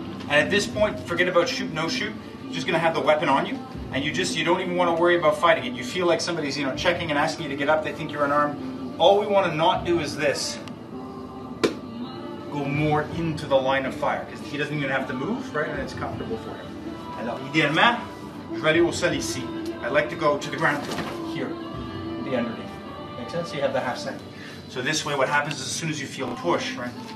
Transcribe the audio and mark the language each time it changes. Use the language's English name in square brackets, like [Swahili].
[English] And at this point, forget about shoot, no shoot. You're just going to have the weapon on you. And you don't even want to worry about fighting it. You feel like somebody's, you know, checking and asking you to get up. They think you're unarmed. All we want to not do is this. Go more into the line of fire. Because he doesn't even have to move, right? And it's comfortable for him. [French] Alors, idéalement, je vais aller au sol ici. [English] I'd like to go to the ground here. Underneath. Make sense? You have the half second. So this way, what happens is as soon as you feel a push, right?